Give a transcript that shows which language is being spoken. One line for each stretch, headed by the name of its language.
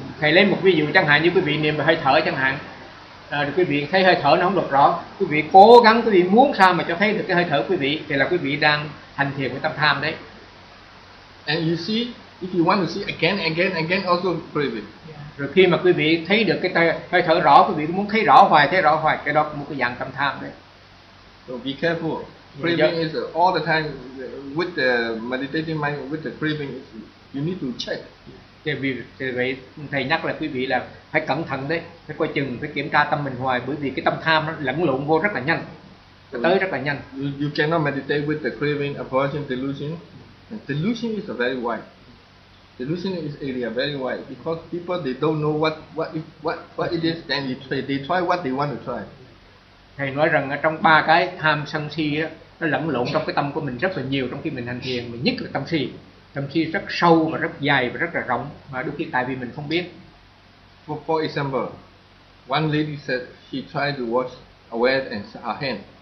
Vietnamese: Thầy lấy một ví dụ chẳng hạn như quý vị niệm về hơi thở chẳng hạn. Quý vị thấy hơi thở nó không được rõ. Quý vị cố gắng, quý vị muốn sao mà cho thấy được cái hơi thở quý vị thì là quý vị đang hành thiền với tâm tham đấy.
English: And you see, if you want to see again, also craving.
Vietnamese: Rồi khi mà quý vị thấy được cái hơi thở rõ, quý vị muốn thấy rõ hoài, cái đó một cái dạng tâm tham đấy.
English: So be careful. Craving is all the time with the meditating mind, with the craving, you need to check.
Vietnamese: Thì vậy, thầy nhắc là quý vị là phải cẩn thận đấy, phải coi chừng, phải kiểm tra tâm mình hoài, bởi vì cái tâm tham nó lẫn lộn vô rất là nhanh, so tới rất là nhanh.
English: You cannot meditate with the craving, aversion, delusion. And delusion is a very wide. Delusion is area very wide because people they don't know what it is. Then they try what they want to try.
Vietnamese: Thầy nói rằng ở trong ba cái tham sân si á, nó lẫn lộn trong cái tâm của mình rất là nhiều trong khi mình hành thiền, mà nhất là tâm si rất sâu và rất dài và rất là rộng, mà đôi khi tại vì mình không biết.
English: For example, one lady said she tried to watch aware and her hand.